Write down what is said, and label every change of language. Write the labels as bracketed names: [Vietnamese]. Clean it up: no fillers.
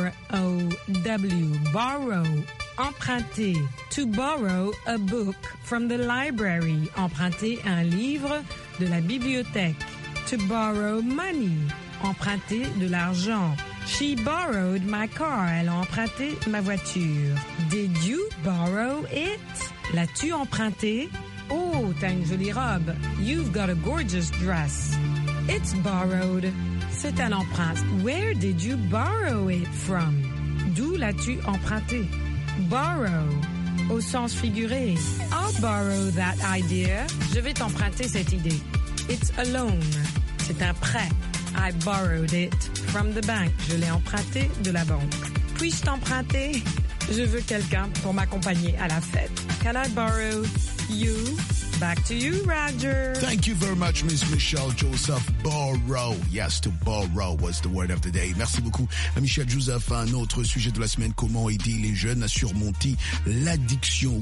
[English] B-O-R-R-O-W. Borrow. Emprunter. To borrow a book from the library. [French] Emprunter un livre de la bibliothèque. [English] To borrow money. [French] Emprunter de l'argent. [English] She borrowed my car. [French] Elle a emprunté ma voiture. [English] Did you borrow it? [French] L'as-tu emprunté? Oh, t'as une jolie robe. [English] You've got a gorgeous dress. It's borrowed. [French] C'est un emprunt. [English] Where did you borrow it from? [French] D'où l'as-tu emprunté? Borrow. Au sens figuré. [English] I'll borrow that idea. [French] Je vais t'emprunter cette idée. [English] It's a loan. [French] C'est un prêt. [English] I borrowed it from the bank. [French] Je l'ai emprunté de la banque. Puis-je t'emprunter? Je veux quelqu'un pour m'accompagner à la fête. [English] Can I borrow you? Back to you, Roger. Thank you very much, Miss Michelle Joseph. Borrow. Yes, to borrow was the word of the day. [French] Merci beaucoup, Michelle Joseph. Un autre sujet de la semaine, comment aider les jeunes à surmonter l'addiction.